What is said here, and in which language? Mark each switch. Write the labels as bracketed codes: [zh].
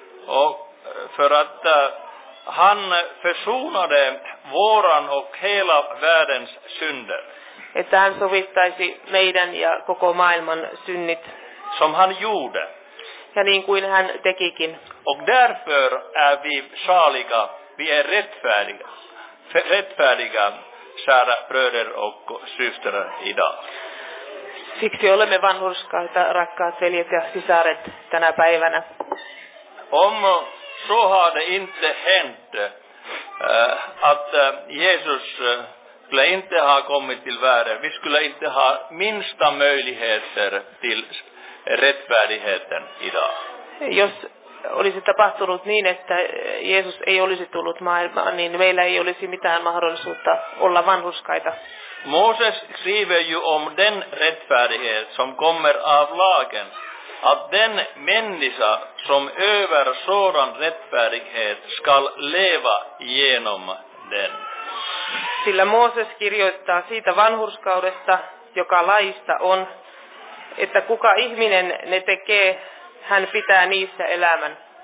[sv] Och för att han försonade våran och hela världens synder. [fi] Että hän sovittaisi meidän ja koko maailman synnit. [sv] Som han gjorde. [fi] Ja niin kuin hän tekikin. [sv] Och därför är vi saliga, vi är rättfärdiga. Rättfärdiga, kära bröder och systrar idag. [fi] Siksi olemme vanhurskaita, rakkaat veljet ja sisaret, tänä päivänä. [sv] Om så hade inte hänt att Jesus skulle inte ha kommit till världen, vi skulle inte ha minsta möjligheter till rättfärdigheten idag. [fi] Jos olisi tapahtunut niin, että Jeesus ei olisi tullut maailmaan, niin meillä ei olisi mitään mahdollisuutta olla vanhurskaita. [sv] Moses skriver ju om den rättfärdighet som kommer av lagen. Att den människa som över sådan rättfärdighet ska leva genom den. [fi] Sillä Mooses kirjoittaa siitä vanhurskaudesta, joka laista on, että kuka ihminen ne tekee, hän pitää niissä elämän.